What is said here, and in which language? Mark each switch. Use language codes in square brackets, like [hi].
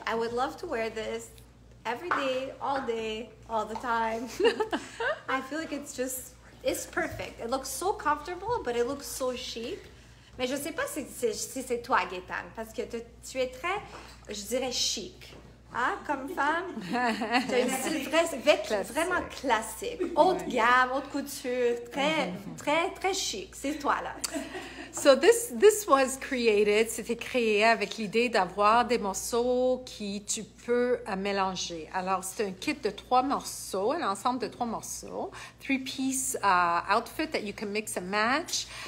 [en] I would love to wear this every day, all the time. I feel like it's perfect. It looks so comfortable, but it looks so chic. [fr] Mais je sais pas si c'est toi, Gaétane, parce que tu es très, je dirais, chic, hein, comme femme. Tu as un style vraiment classique, haute gamme, haute couture, très, très, très chic. C'est toi, là. [en] So this was created, [fr] c'était créé avec l'idée d'avoir des morceaux qui tu peux mélanger. Alors, c'est un kit de trois morceaux, un ensemble de trois morceaux. [en] Three-piece outfit that you can mix and match.